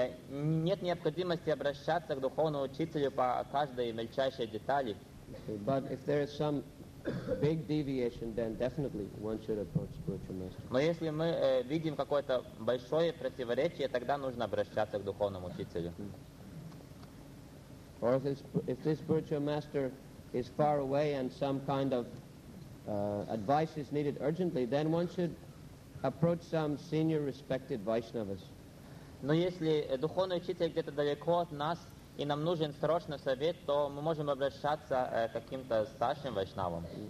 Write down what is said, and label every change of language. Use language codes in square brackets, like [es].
[ru] Нет необходимости обращаться к духовному учителю по каждой мельчайшей детали. [en] But if there is some big deviation, then definitely one should approach spiritual master. [ru] Но если мы видим какое-то большое противоречие, тогда нужно обращаться к духовному учителю. [en] Or if this spiritual master is far away and some kind of advice is needed urgently, then one should approach some senior respected Vaishnavas. [ru] Но если духовный учитель где-то далеко от нас, и нам нужен срочный совет, то мы можем обращаться к каким-то старшим вайшнавам.